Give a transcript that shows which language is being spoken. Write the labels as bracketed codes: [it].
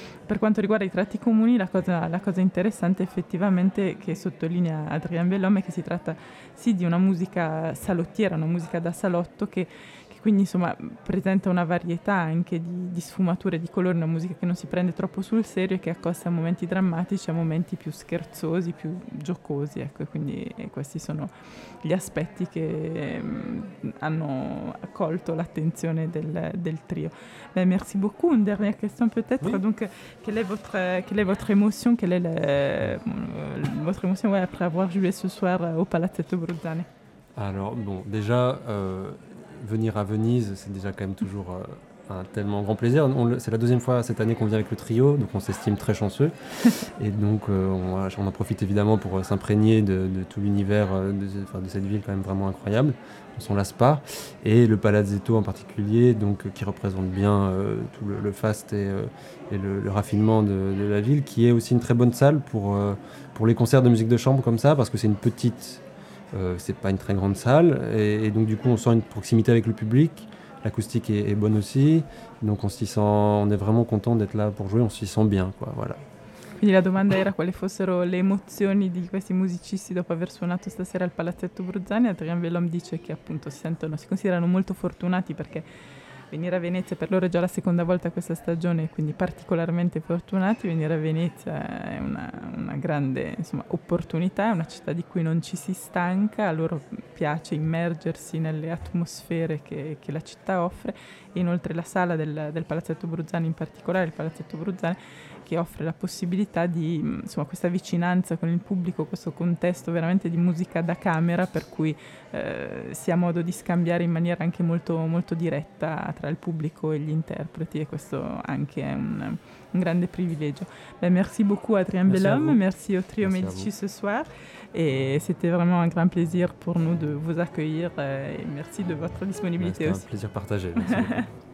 [it] Per quanto riguarda i tratti comuni, la cosa interessante effettivamente che sottolinea Adrien Bellom è che si tratta sì di una musica salottiera, una musica da salotto che quindi insomma presenta una varietà anche di sfumature di colore, una musica che non si prende troppo sul serio e che accosta a momenti drammatici, a momenti più scherzosi, più giocosi, ecco, quindi questi sono gli aspetti che hanno colto l'attenzione del trio. [fr] Ben, merci beaucoup. Une dernière question peut-être. Oui. Donc, quelle est votre émotion? Quelle est votre émotion après avoir joué ce soir au Palazzetto Bruzane? Alors, bon, déjà, venir à Venise, c'est déjà quand même toujours un tellement grand plaisir. C'est la deuxième fois cette année qu'on vient avec le trio, donc on s'estime très chanceux. Et donc, on en profite évidemment pour s'imprégner de tout l'univers de cette ville quand même vraiment incroyable. On s'en lasse pas. Et le Palazzetto en particulier, donc, qui représente bien tout le faste et le raffinement de la ville, qui est aussi une très bonne salle pour les concerts de musique de chambre comme ça, parce que c'est une petite C'est pas une très grande salle, et donc du coup on sent une proximité avec le public, l'acoustique est bonne aussi, donc on est vraiment content d'être là pour jouer, on s'y sent bien, quoi, voilà. [it] Quindi la domanda era quali fossero le emozioni di questi musicisti dopo aver suonato stasera al Palazzetto Bruzzani. Adrien Vellom dice che appunto si considerano molto fortunati perché venire a Venezia per loro è già la seconda volta questa stagione, quindi particolarmente fortunati. Venire a Venezia è una grande, insomma, opportunità, è una città di cui non ci si stanca, a loro piace immergersi nelle atmosfere che la città offre, e inoltre la sala del Palazzetto Bruzzani, in particolare il Palazzetto Bruzzani, che offre la possibilità di, insomma, questa vicinanza con il pubblico, questo contesto veramente di musica da camera, per cui si ha modo di scambiare in maniera anche molto, molto diretta tra il pubblico e gli interpreti, e questo anche è un grande privilegio. [fr] Beh, merci beaucoup Adrien Vellom, merci au Trio Medici ce soir, et c'était vraiment un grand plaisir pour nous de vous accueillir, et merci de votre disponibilité aussi. C'était un plaisir partagé, merci